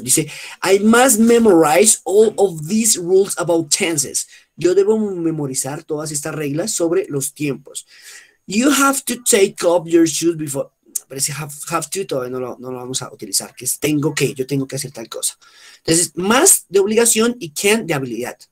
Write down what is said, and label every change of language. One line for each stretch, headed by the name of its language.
Spanish: Dice,
English: I must memorize all of these rules about tenses.
Spanish: Yo debo memorizar todas estas reglas sobre los tiempos.
English: You have to take off your shoes before.
Spanish: Pero ese have to todavía no lo vamos a utilizar. Que es tengo que, yo tengo que hacer tal cosa. Entonces, must de obligación y can de habilidad.